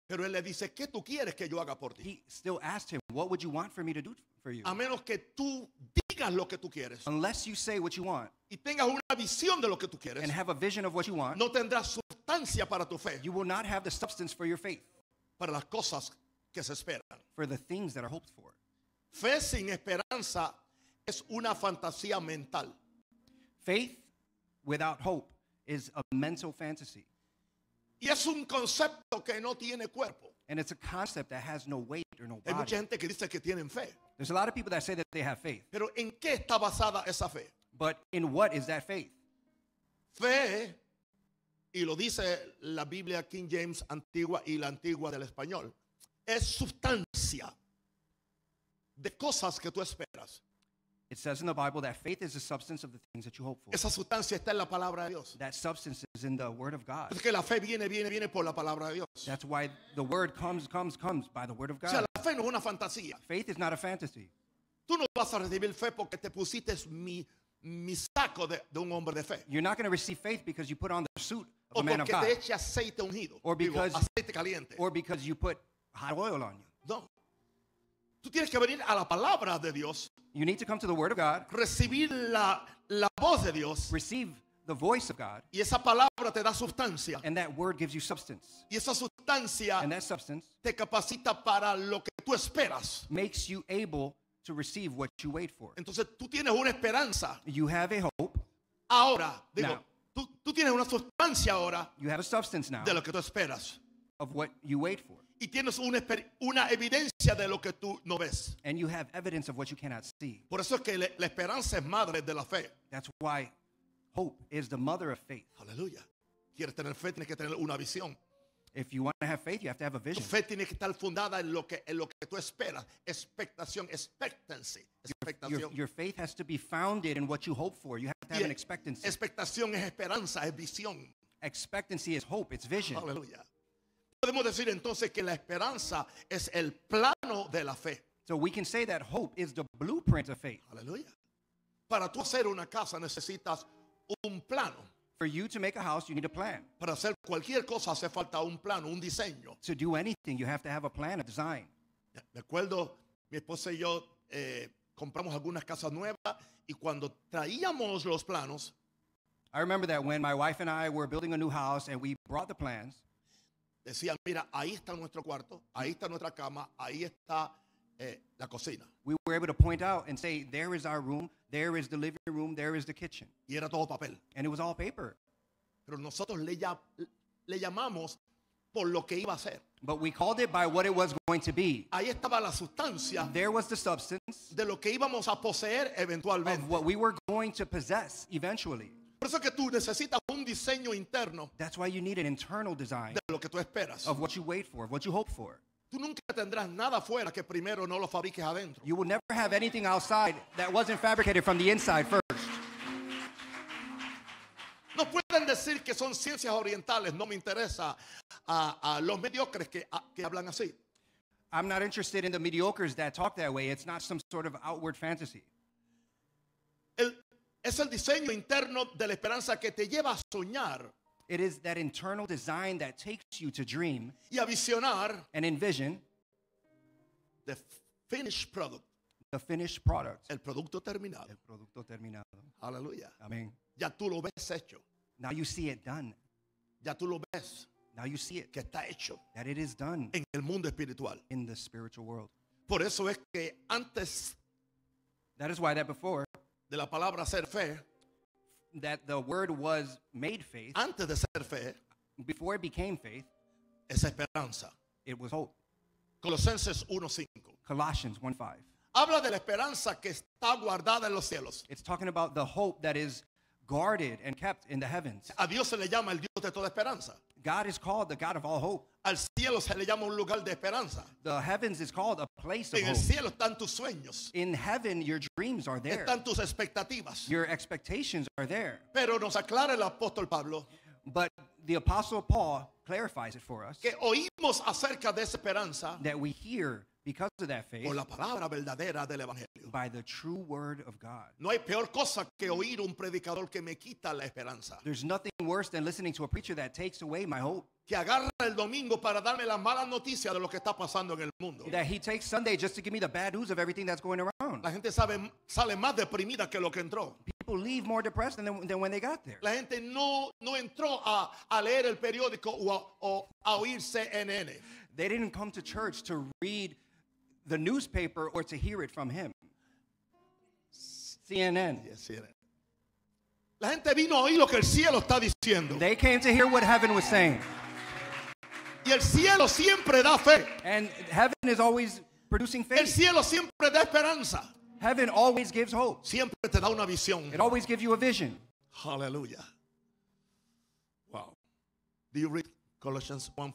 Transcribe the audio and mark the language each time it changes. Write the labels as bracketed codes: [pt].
[es] Pero él le dice, ¿qué tú quieres que yo haga por ti? [en] He still asked him, what would you want for me to do for you? [es] A menos que tú digas lo que tú quieres. [en] Unless you say what you want. [es] Y tengas una visión de lo que tú quieres. [en] And have a vision of what you want. [es] No tendrás sustancia para tu fe. [en] You will not have the substance for your faith. [es] Para las cosas que se esperan. [en] For the things that are hoped for. [es] Fe sin esperanza es una fantasía mental. [en] Faith without hope is a mental fantasy. [es] Y es un concepto que no tiene cuerpo. [en] And it's a concept that has no weight or no body. [es] Hay mucha gente que dice que tienen fe. [en] There's a lot of people that say that they have faith. [es] Pero ¿en qué está basada esa fe? [en] But in what is that faith? [es] Fe, y lo dice la Biblia King James Antigua y la Antigua del Español, es sustancia de cosas que tú esperas. [en] It says in the Bible that faith is the substance of the things that you hope for. [es] Esa sustancia está en la palabra de Dios. [en] That substance is in the word of God. [es] Porque la fe viene por la palabra de Dios. [en] That's why the word comes by the word of God. [es] O sea, la fe no es una fantasía. [en] Faith is not a fantasy. [es] Tú no vas a recibir fe porque te pusiste mi saco de un hombre de fe. [en] You're not going to receive faith because you put on the suit of o a man of God. [es] Porque te eche aceite ungido. [en] Or because, [es] digo, aceite caliente. [en] Or because you put hot oil on you. [es] No. Tú tienes que venir a la palabra de Dios. [en] You need to come to the word of God. [es] Recibir la voz de Dios. [en] Receive the voice of God. [es] Y esa palabra te da sustancia. [en] And that word gives you substance. [es] Y esa sustancia, [en] and that substance, [es] te capacita para lo que tú esperas. [en] Makes you able to receive what you wait for. [es] Entonces, tú tienes una esperanza. [en] You have a hope. [es] Ahora, digo, tú tienes una sustancia ahora. [en] You have a substance now. [es] De lo que tú esperas. [en] Of what you wait for. [es] Y tienes una evidencia de lo que tú no ves. [en] And you have evidence of what you cannot see. [es] Por eso es que la esperanza es madre de la fe. [en] That's why hope is the mother of faith. [es] Aleluya. Quieres tener fe, tienes que tener una visión. [en] If you want to have faith, you have to have a vision. [es] Tu fe tiene que estar fundada en lo que tú esperas. Expectación, expectancy. [en] Your faith has to be founded in what you hope for. You have to have an expectancy. [es] Expectación es esperanza, es visión. [en] Expectancy is hope, it's vision. [es] Aleluya. Podemos decir entonces que la esperanza es el plano de la fe. [en] So we can say that hope is the blueprint of faith. [es] Aleluya. Para tú hacer una casa necesitas un plano. [en] For you to make a house, you need a plan. [es] Para hacer cualquier cosa hace falta un plano, un diseño. [en] To do anything, you have to have a plan, a design. [es] Me acuerdo, mi esposa y yo compramos algunas casas nuevas y cuando traíamos los planos. [en] I remember that when my wife and I were building a new house and we brought the plans. [es] Decían, mira, ahí está nuestro cuarto, ahí está nuestra cama, ahí está la cocina. [en] We were able to point out and say, there is our room, there is the living room, there is the kitchen. [es] Y era todo papel. [en] And it was all paper. [es] Pero nosotros le llamamos por lo que iba a ser. [en] But we called it by what it was going to be. [es] Ahí estaba la sustancia. [en] There was the substance. [es] De lo que íbamos a poseer eventualmente. [en] Of what we were going to possess eventually. [es] Por eso que tú necesitas un diseño interno. [en] That's why you need an internal design. [es] De lo que tú esperas. [en] Of what you wait for, of what you hope for. [es] Tú nunca tendrás nada fuera que primero no lo fabriques adentro. [en] You will never have anything outside that wasn't fabricated from the inside first. [es] No pueden decir que son ciencias orientales. No me interesa a los mediocres que hablan así. [en] I'm not interested in the mediocres that talk that way. It's not some sort of outward fantasy. [es] Es el diseño interno de la esperanza que te lleva a soñar. [en] It is that internal design that takes you to dream. [es] Y a visionar. [en] And envision. The finished product. The finished product. [es] El producto terminado. El producto terminado. Aleluya. Amén. Ya tú lo ves hecho. [en] Now you see it done. [es] Ya tú lo ves. [en] Now you see it. [es] Que está hecho. [en] That it is done. [es] En el mundo espiritual. [en] In the spiritual world. [es] Por eso es que antes. [en] That is why that before. [es] De la palabra ser fe, [en] that the word was made faith, [es] antes de ser fe, [en] before it became faith, [es] es esperanza. [en] It was hope. [es] Colosenses 1:5. [en] Colossians 1:5. [es] Habla de la esperanza que está guardada en los cielos. [en] It's talking about the hope that is guarded and kept in the heavens. [es] A Dios se le llama el Dios de toda esperanza. [en] God is called the God of all hope. [es] Al cielo se le llama un lugar de esperanza. [en] The heavens is called a place of [es] hope. En el cielo están tus sueños. [en] In heaven, your dreams are there. [es] Están tus expectativas. [en] Your expectations are there. [es] Pero nos aclara el apóstol Pablo. [en] But the apostle Paul clarifies it for us. [es] Que oímos acerca de esa esperanza. [en] That we hear because of that faith. [es] Por la palabra verdadera del evangelio. [en] By the true word of God. [es] No hay peor cosa que oír un predicador que me quita la esperanza. [en] There's nothing worse than listening to a preacher that takes away my hope. [es] Que agarra el domingo para darme las malas noticias de lo que está pasando en el mundo. [en] That he takes Sunday just to give me the bad news of everything that's going around. [es] La gente sale más deprimida que lo que entró. [en] People leave more depressed than when they got there. [es] La gente no entró a leer el periódico o a oír CNN. [en] They didn't come to church to read the newspaper or to hear it from him. [es] CNN. [en] Yes, CNN. [es] La gente vino a oír lo que el cielo está diciendo. [en] They came to hear what heaven was saying. [es] Y el cielo siempre da fe. [en] And heaven is always producing faith. [es] El cielo siempre da esperanza. [en] Heaven always gives hope. [es] Siempre te da una visión. [en] It always gives you a vision. Hallelujah. Wow. Do you read Colossians 1:5?